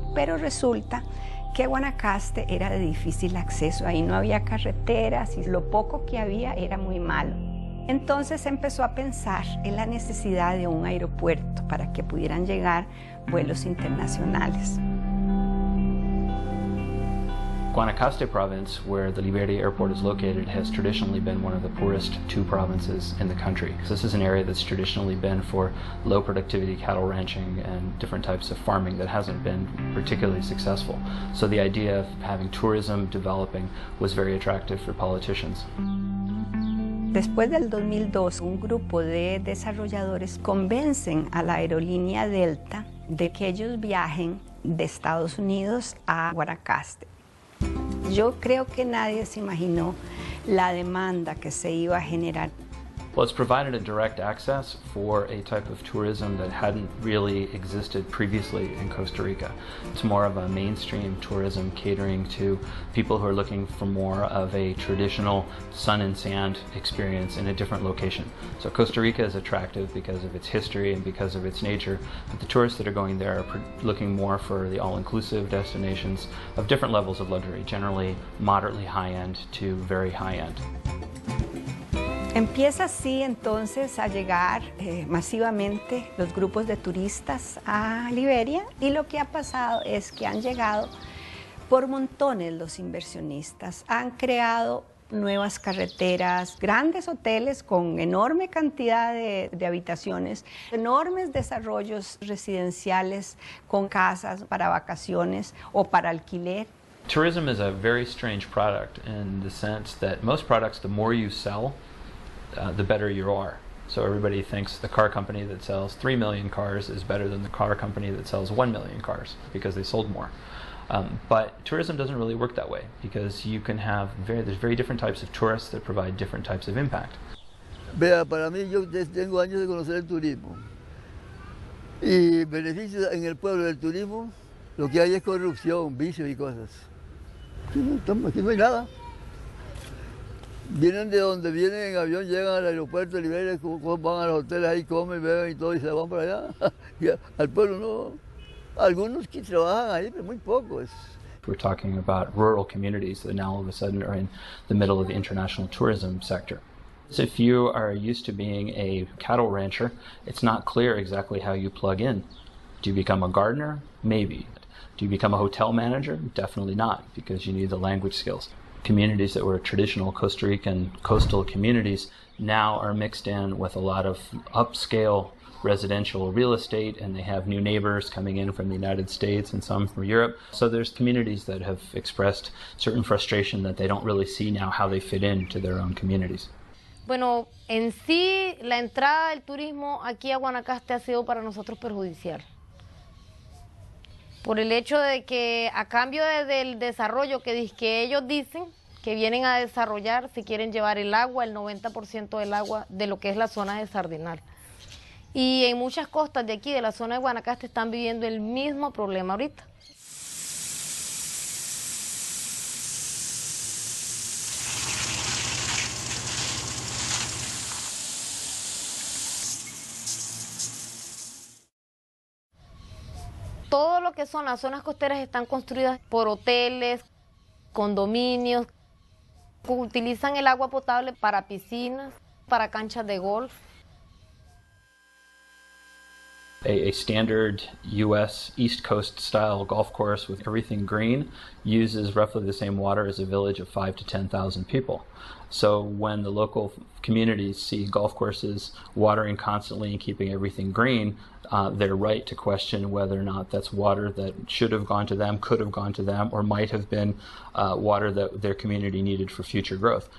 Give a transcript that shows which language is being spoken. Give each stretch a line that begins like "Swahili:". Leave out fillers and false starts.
Spanish: Pero resulta que Guanacaste era de difícil acceso, ahí no había carreteras y lo poco que había era muy malo. Entonces se empezó a pensar en la necesidad de un aeropuerto para que pudieran llegar vuelos internacionales.
English: Guanacaste Province, where the Liberia Airport is located, has traditionally been one of the poorest two provinces in the country. So this is an area that's traditionally been for low productivity cattle ranching and different types of farming that hasn't been particularly successful. So the idea of having tourism developing was very attractive for politicians.
Spanish: Después del 2002, un grupo de desarrolladores convencen a la aerolínea Delta de que ellos viajen de Estados Unidos a Guanacaste. Yo creo que nadie se imaginó la demanda que se iba a generar.
English: Well, it's provided a direct access for a type of tourism that hadn't really existed previously in Costa Rica. It's more of a mainstream tourism catering to people who are looking for more of a traditional sun and sand experience in a different location. So Costa Rica is attractive because of its history and because of its nature, but the tourists that are going there are looking more for the all-inclusive destinations of different levels of luxury, generally moderately high-end to very high-end.
Spanish: Empieza así entonces a llegar masivamente los grupos de turistas a Liberia y lo que ha pasado es que han llegado por montones los inversionistas, han creado nuevas carreteras, grandes hoteles con enorme cantidad de habitaciones, enormes desarrollos residenciales con casas para vacaciones o para alquiler.
English: Tourism is a very strange product in the sense that most products, the more you sell, the better you are. So everybody thinks the car company that sells 3 million cars is better than the car company that sells 1 million cars because they sold more. But tourism doesn't really work that way because you can have there's very different types of tourists that provide different types of impact.
Spanish: Vea, para mí yo tengo años de conocer el turismo y beneficios en el pueblo del turismo. Lo que hay es corrupción, vicio y cosas. Aquí no hay nada. Vienen de donde vienen en avión, llegan al aeropuerto de Liberia, van a los hoteles, ahí comen, beben y todo, y se van para allá. Y al pueblo no. Algunos que trabajan ahí, pero muy pocos.
English: We're talking about rural communities that now all of a sudden are in the middle of the international tourism sector. So if you are used to being a cattle rancher, it's not clear exactly how you plug in. Do you become a gardener? Maybe. Do you become a hotel manager? Definitely not, because you need the language skills. Communities that were traditional Costa Rican coastal communities now are mixed in with a lot of upscale residential real estate, and they have new neighbors coming in from the United States and some from Europe. So there's communities that have expressed certain frustration that they don't really see now how they fit into their own communities.
Spanish: Bueno, en sí, la entrada del turismo aquí a Guanacaste ha sido para nosotros perjudicial. Por el hecho de que a cambio del desarrollo que ellos dicen que vienen a desarrollar, se quieren llevar el agua, el 90% del agua de lo que es la zona de Sardinal. Y en muchas costas de aquí, de la zona de Guanacaste, están viviendo el mismo problema ahorita. Todo lo que son las zonas costeras están construidas por hoteles, condominios, utilizan el agua potable para piscinas, para canchas de golf.
English: A standard U.S. East Coast style golf course with everything green uses roughly the same water as a village of 5,000 to 10,000 people. So when the local communities see golf courses watering constantly and keeping everything green, they're right to question whether or not that's water that should have gone to them, could have gone to them, or might have been water that their community needed for future growth.